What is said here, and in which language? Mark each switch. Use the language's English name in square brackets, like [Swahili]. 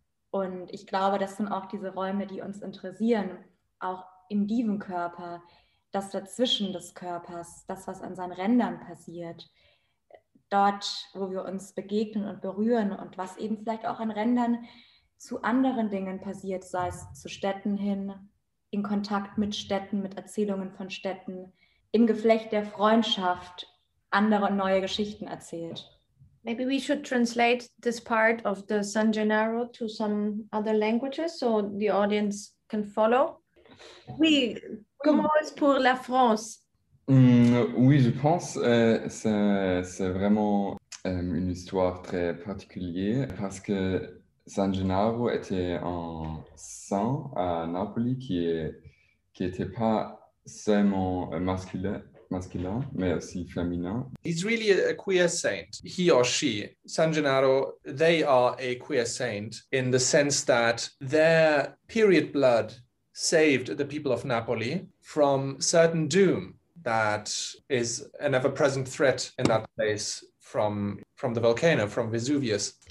[German] Und ich glaube, das sind auch diese Räume, die uns interessieren, auch im Dievenkörper, das Dazwischen des Körpers, das, was an seinen Rändern passiert, dort, wo wir uns begegnen und berühren und was eben vielleicht auch an Rändern zu anderen Dingen passiert, sei es zu Städten hin, in Kontakt mit Städten, mit Erzählungen von Städten, im Geflecht der Freundschaft andere und neue Geschichten erzählt. [English] Maybe we should translate this part of the San Gennaro to some other languages so the audience can follow. [French] Oui, comment est-ce pour la France? Oui, je pense que c'est vraiment une histoire très particulière parce que San Gennaro était un saint à Napoli qui n'était pas seulement masculin, mais aussi féminin. [English] He's really a queer saint. He or she, San Gennaro, they are a queer saint in the sense that their period blood saved the people of Napoli from certain doom that is an ever-present threat in that place from the volcano, from Vesuvius.